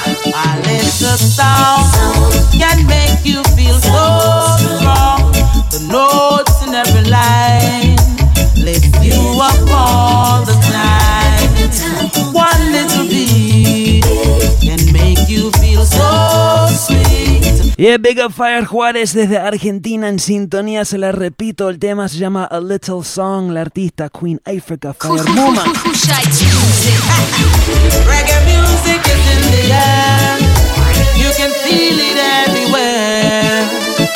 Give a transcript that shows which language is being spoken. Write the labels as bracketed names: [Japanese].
[English] A little sound can make you feel so strong. The notes in every line lift you up all the time. One little beat can make you feel so sweet. Yeah, big up [Spanish] Fire Juárez desde Argentina en sintonía. Se la repito, el tema se llama A Little Song. La artista Queen Africa, Fire Woman. [English] Reggae music is in the air. You can feel it everywhere.